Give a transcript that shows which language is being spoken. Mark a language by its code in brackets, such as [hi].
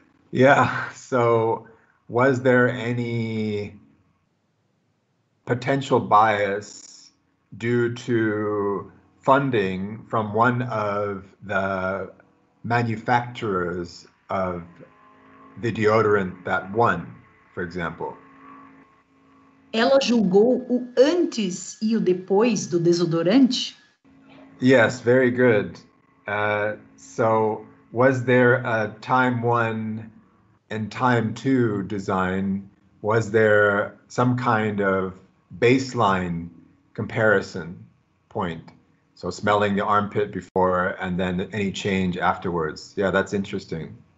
[en] Yeah, so was there any potential bias due to funding from one of the manufacturers of the deodorant that won, for example? [pt] Ela julgou o antes e o depois do desodorante? [en] Yes, very good. So was there a time one and time two design? Was there some kind of baseline comparison point? So smelling the armpit before and then any change afterwards. Yeah, that's interesting.